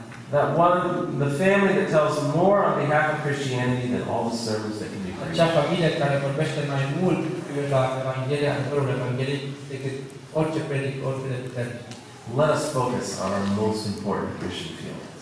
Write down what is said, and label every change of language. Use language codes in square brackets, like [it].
[en] that one, the family that tells more on behalf of Christianity than all the sermons that can be preached. [ro] Acea familie care vorbește mai mult la Evanghelia, adevărul Evangheliei, decât orice predic, oricât de puternic. [en] Let us focus on our most important Christian field.